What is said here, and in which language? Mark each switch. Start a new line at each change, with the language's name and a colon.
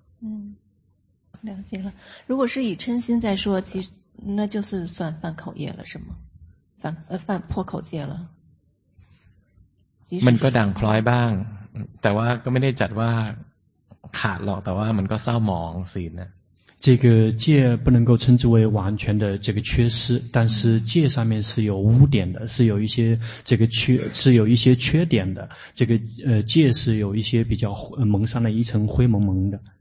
Chinese: 嗯了解了如果是以嗔心在说其实那就是算犯口业了是吗犯破口戒了
Thai: มันก็ดังพลอยบ้างแต่ว่าก็ไม่ได้จัดว่าขาดหรอกแต่ว่ามันก็เศร้าหมองศีลนะ
Chinese: 这个戒不能够称之为完全的这个缺失但是戒上面是有污点的是有一些这个缺点的这个戒是有一些比较蒙上了一层灰蒙蒙的